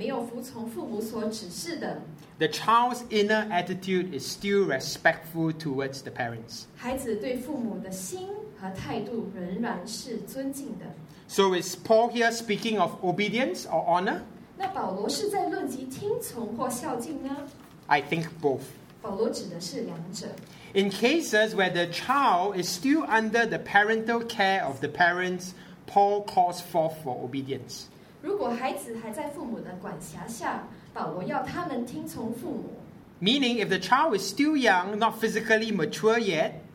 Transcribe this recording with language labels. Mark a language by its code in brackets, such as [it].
[zh] 在某种情况下，尽管孩子没有服从父母所指示的, [en] the child's inner attitude is still respectful towards the parents. [zh] 孩子对父母的心和态度仍然是尊敬的。 [en] So is Paul here speaking of obedience or honor? [zh] 那保罗是在论及听从或孝敬呢? [en] I think both. [zh] 保罗指的是两者。 [en] In cases where the child is still under the parental care of the parents, Paul calls forth for obedience. [zh] 如果孩子还在父母的管辖下，保罗要他们听从父母。 [en] Meaning, if the child is still young, not physically mature yet,